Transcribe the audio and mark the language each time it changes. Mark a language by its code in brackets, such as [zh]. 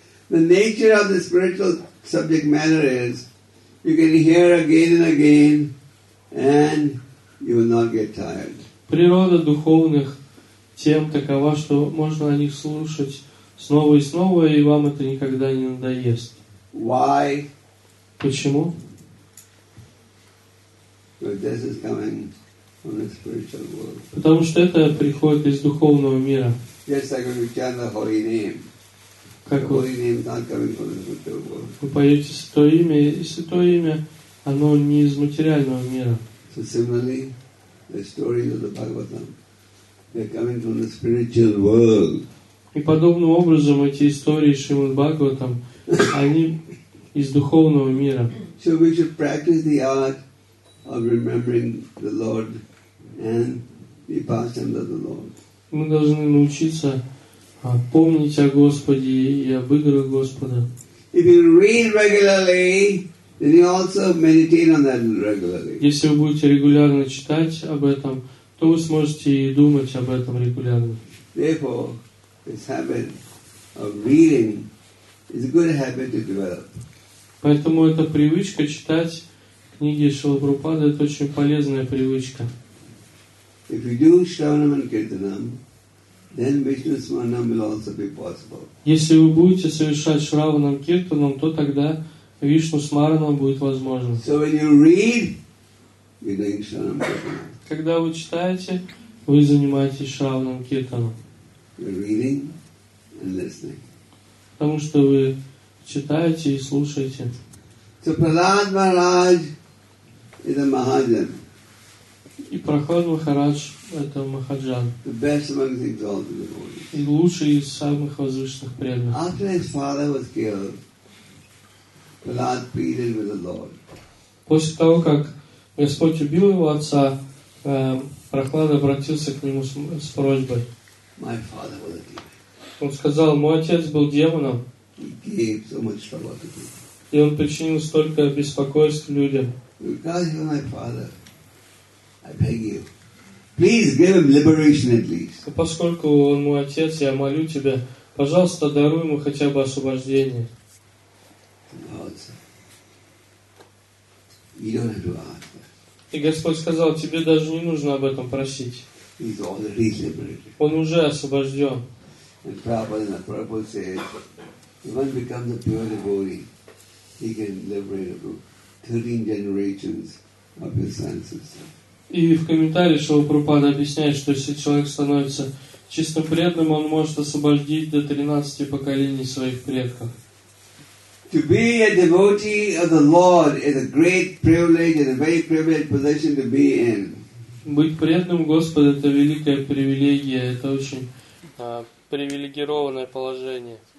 [en] The nature of the spiritual subject matter is you can hear again and again, and you will not get tired. [ru] Природа духовных тем такова, что можно о них слушать снова и снова, и вам это никогда не надоест. [en] Why? [ru] Почему? [en] Because this is coming from the spiritual world. [ru] Потому что это приходит из духовного мира. [en] Just like we chant the holy name. [ru] Как [en] the holy name is not coming from the spiritual world. [ru] Вы поете святое имя, и святое имя, оно не из материального мира. [en] So similarly, the stories of the Bhagavatam, they are coming from the spiritual world. [ru] И подобным образом эти истории Шримад Бхагаватам, они из духовного мира. [en] So we should practice the art of remembering the Lord and be passed under the Lord. [ru] Мы должны научиться помнить о Господе и об играх Господа. [en] If you read regularly, then you also meditate on that regularly. [ru] Если вы будете регулярно читать об этом, то вы сможете и думать об этом регулярно. [en] Therefore, this habit of reading is a good habit to develop. [ru] Поэтому эта привычка читать книги Шрилы Прабхупады это очень полезная привычка. [en] If we do Shravanam and Kirtanam, then Vishnu Smaranam will also be possible. [ru] Если вы будете совершать Шраванам Киртанам, то тогда Вишну Смаранам будет возможно. [en] So when you read, you're doing Shravanam Kirtanam. [ru] Когда вы читаете, вы занимаетесь Шраванам Киртанам. [en] You're reading and listening. [ru] Потому что вы читаете и слушаете. [en] So Prahlad Maharaj is a Mahajan. [ru] И Прохлад Махарадж это Махаджан. [en] The best among the exalted devotees. [ru] И лучший из самых возвышенных преданных. [en] After his father was killed, Prahlad pleaded with the Lord. [ru] После того, как Господь убил его отца, Прохлад обратился к нему с просьбой. [en] My father was a demon. [ru] Он сказал, мой отец был демоном. [en] He gave so much trouble to people. [ru] И он причинил столько беспокойств людям. [en] Because you're my father, I beg you, please give him liberation at least. [ru] Поскольку он мой отец, я молю тебя, пожалуйста, даруй ему хотя бы освобождение. И Господь сказал, тебе даже не нужно об этом просить. [en] He's already liberated. [ru] Он уже освобожден. [en] And Prabhupada says, if one becomes a pure devotee, he can liberate about 13 generations of his senses. [ru] И в комментариях Шрилы Прабхупада объясняет, что если человек становится чисто преданным, он может освободить до 13 поколений своих предков. [en] To be a devotee of the Lord is a great privilege and a very privileged position to be in. [ru] Быть преданным Господу это великая привилегия, это очень привилегированное положение.